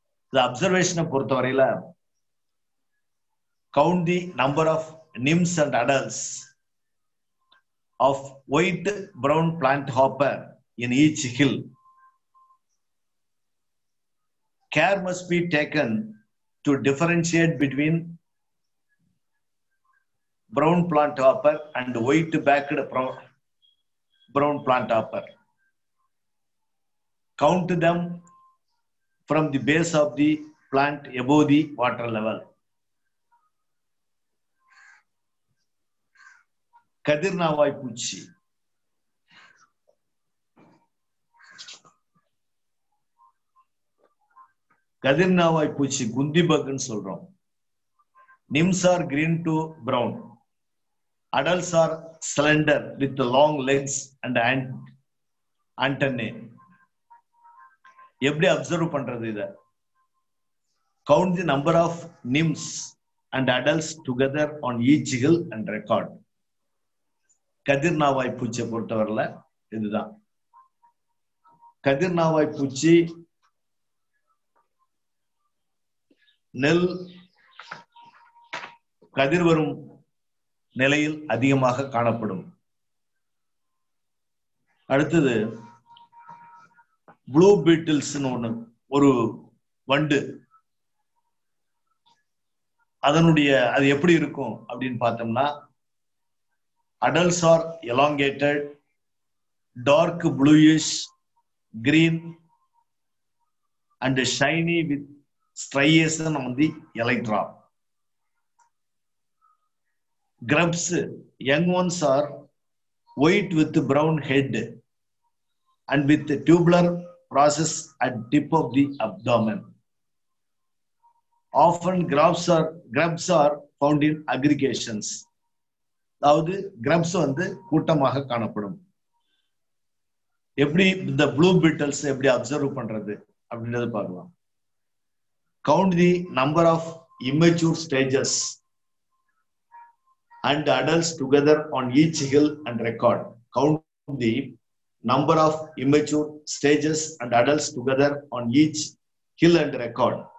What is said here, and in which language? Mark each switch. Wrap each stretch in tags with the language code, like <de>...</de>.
<ta>இது அப்சர்வேஷனை பொறுத்தவரையில</ta> <en>Count the number of nymphs and adults of white brown plant hopper in each hill. Care must be taken to differentiate between brown plant hopper and white backed brown plant hopper. Count them from the base of the plant above the water level.</en> <ta>Kadirnavai poochi. Kadirnavai poochi gundi bug nu solrom.</ta> <en>Nymphs are green to brown. Adults are slender with the long legs and antennae.</en> <ta>எப்படி observe பண்றது?</ta> <en>இத count the number of nymphs and adults together on each hill and record.</en> <ta>கதிர்நாவாய் பூச்சியை பொறுத்தவரையில இதுதான். கதிர்நாவாய் பூச்சி நெல் கதிர் வரும் நிலையில் அதிகமாக காணப்படும். அடுத்தது ப்ளூ பீட்டில்ஸ் ஒன்று, ஒரு வண்டு, அதனுடைய அது எப்படி இருக்கும் அப்படின்னு பார்த்தோம்னா</ta> <en>Adults are elongated dark bluish green and shiny with striation on the elytra. Grubs, young ones are white with brown head and with the tubular process at tip of the abdomen. Often grubs are found in aggregations.</en> <ta>அதாவது grubs வந்து கூட்டமாக காணப்படும். எப்படி இந்த blue petals எப்படி observe பண்றது அப்படின்றது பார்க்கலாம்.</ta> <en>Count the number of immature stages and adults together on each hill and record. Count the number of immature stages and adults together on each hill and record.</en>